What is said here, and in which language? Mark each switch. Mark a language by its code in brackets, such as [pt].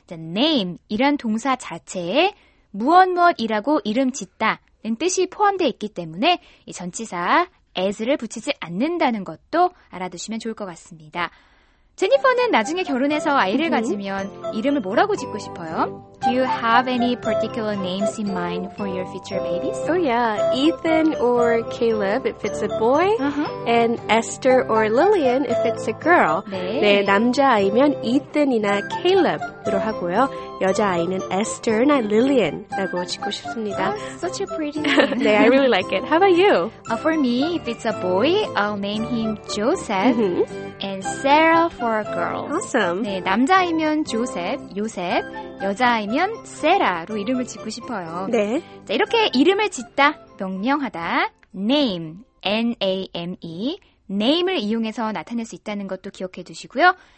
[ko] 자, name 이런 동사 자체에 무엇무엇이라고 이름 짓다는 뜻이 포함되어 있기 때문에 이 전치사 as를 붙이지 않는다는 것도 알아두시면 좋을 것 같습니다. 제니퍼는 나중에 결혼해서 아이를 가지면 이름을 뭐라고 짓고 싶어요? [en] Do you have any particular names in mind for your future babies? Oh yeah, Ethan or Caleb if it's a boy, and Esther or Lillian if it's a girl. [ko] 네, 네 남자아이면 Ethan이나 Caleb으로 하고요. 여자아이는 Esther나 Lillian라고 짓고 싶습니다. [en] Oh, such a pretty name. [ko] 네, [en] I really like it. How about you? For me, if it's a boy, I'll name him Joseph. And Sarah for a girl. Awesome. [ko] 네, 남자이면 조셉, 요셉, 여자이면 세라로 이름을 짓고 싶어요. 네. 자, 이렇게 이름을 짓다, 명명하다, name, N-A-M-E, name을 이용해서 나타낼 수 있다는 것도 기억해 두시고요.